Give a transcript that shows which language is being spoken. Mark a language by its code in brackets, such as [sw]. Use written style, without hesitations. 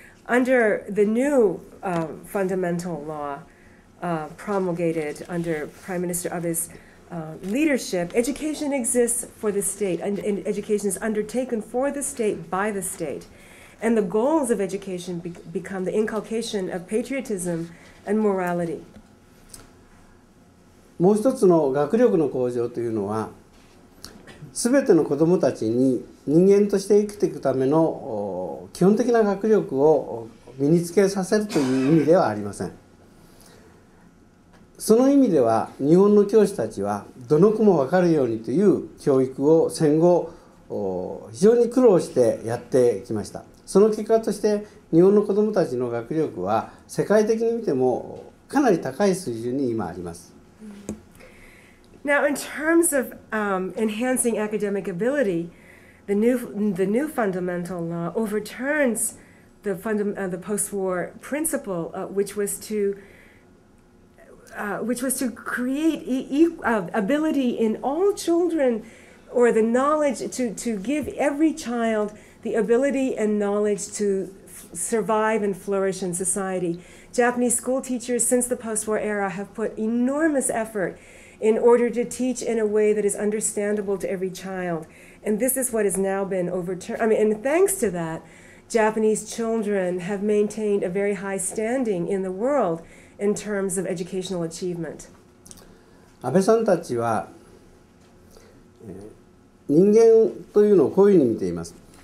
[en] Under the new fundamental law promulgated under Prime Minister Abe's leadership, education exists for the state, and education is undertaken for the state by the state. And the goals of education become the inculcation of patriotism and morality. [ja] もう一つの学力の向上というのは、すべての子どもたちに人間として生きていくための基本的な学力を身につけさせるという意味ではありません。その意味では、日本の教師たちはどの子も分かるようにという教育を戦後非常に苦労してやってきました。その結果として日本の子どもたちの学力は世界的に見てもかなり高い水準に今あります。 [en] Now, in terms of enhancing academic ability, the new fundamental law overturns the post-war principle, which was to create ability in all children, or the knowledge to give every child the ability and knowledge to survive and flourish in society. Japanese school teachers since the post-war era have put enormous effort in order to teach in a way that is understandable to every child. And this is what has now been overturned. I mean, and thanks to that, Japanese children have maintained a very high standing in the world in terms of educational achievement. [ja] 安倍さんたちは、人間というのをこういうふうに見ています。